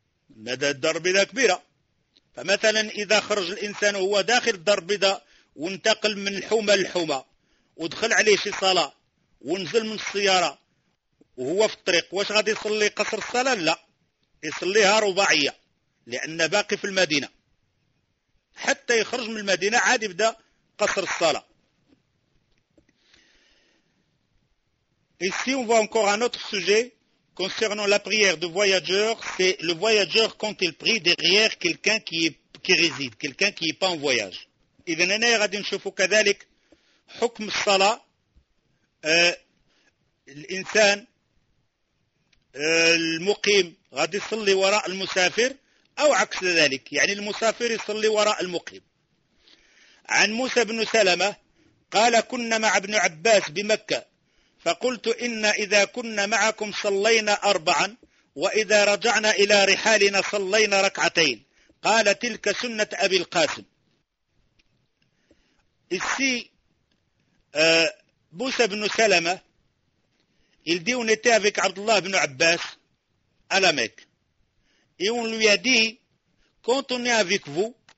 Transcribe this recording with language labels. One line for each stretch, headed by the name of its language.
Arabic: مدى الدار البيضاء كبيرة، فمثلا إذا خرج الإنسان وهو داخل الدار البيضاء وانتقل من الحومة للحومة ودخل عليه شي صلاة ونزل من السيارة وهو في الطريق، واش غادي يصلي قصر الصلاة؟ لا، يصليها رباعية لأن باقي في المدينة، حتى يخرج من المدينة عادي يبدأ قصر الصلاة.
French: Ici on voit encore un autre sujet concernant la prière de voyageur. C'est le voyageur quand il prie derrière quelqu'un qui réside, quelqu'un qui n'est pas en voyage.
Arabic: إذن هنا غادي نشوفوا كذلك حكم الصلاة. الإنسان المقيم غادي يصلي وراء المسافر أو عكس ذلك، يعني المسافر يصلي وراء المقيم. عن موسى بن سلمة قال كنا مع ابن عباس بمكة فقلت إن إذا كنا معكم صلينا 4 وإذا رجعنا إلى رحالنا صلينا 2. قال تلك سنة أبي القاسم.
French: السي موسى بن سلمة il dit on était avec Abdullah ibn Abbas à la Mecque et on lui a dit quand on est avec vous